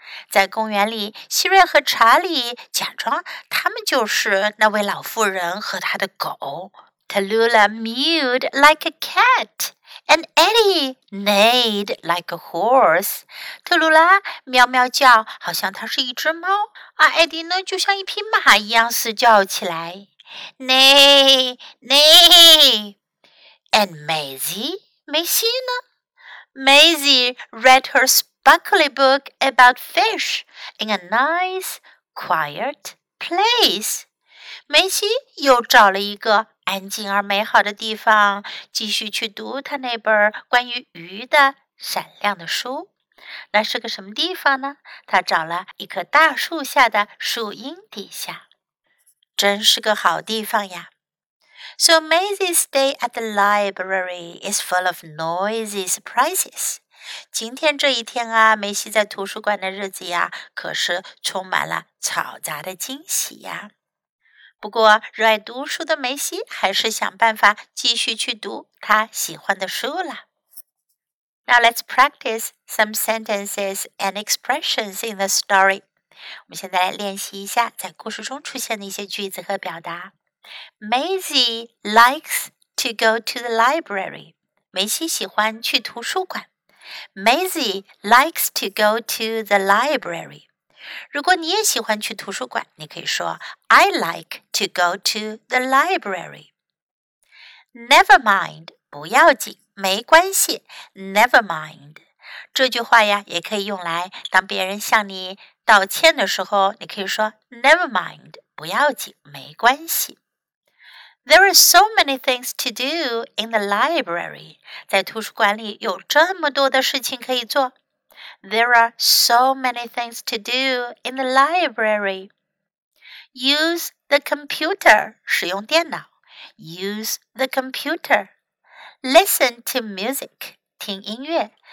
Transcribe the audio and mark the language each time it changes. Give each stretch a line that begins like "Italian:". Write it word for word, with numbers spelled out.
Chinese: 在公园里，希瑞和查理假装他们就是那位老妇人和她的狗。
English: Tallulah mewed like a cat, and Eddie neighed like a horse.
Chinese: 特鲁拉喵喵叫，好像它是一只猫，而艾迪呢，就像一匹马一样嘶叫起来。
English: Neigh, neigh. And Maisie,
Chinese: 梅西呢
English: ？Maisie read her sparkly book about fish in a nice, quiet place.
Chinese: 梅西又找了一个安静而美好的地方，继续去读她那本关于鱼的闪亮的书。那是个什么地方呢？她找了一棵大树下的树荫底下。真是个好地方呀。
English: So Maisie's day at the library is full of noisy surprises.
Chinese: 今天这一天啊，梅西在图书馆的日子呀，可是充满了嘈杂的惊喜呀。不过，热爱读书的梅西还是想办法继续去读她喜欢的书了。
English: Now let's practice some sentences and expressions in the story.
Chinese: 我们现在来练习一下在故事中出现的一些句子和表达。
English: Maisie likes to go to the library.
Chinese: 梅西喜欢去图书馆。
English: Maisie likes to go to the library.
Chinese: 如果你也喜欢去图书馆，你可以说
English: I like to go to the library. Never mind,
Chinese: 不要紧，没关系。
English: Never mind.
Chinese: 这句话呀，也可以用来当别人向你道歉的时候，你可以说
English: Never mind,
Chinese: 不要紧，没关系。
English: There are so many things to do in the library.
Chinese: 在图书馆里有这么多的事情可以做。
English: There are so many things to do in the library. Use the computer,
Chinese: 使用电脑。
English: Use the computer. Listen to music,
Chinese: 听音乐。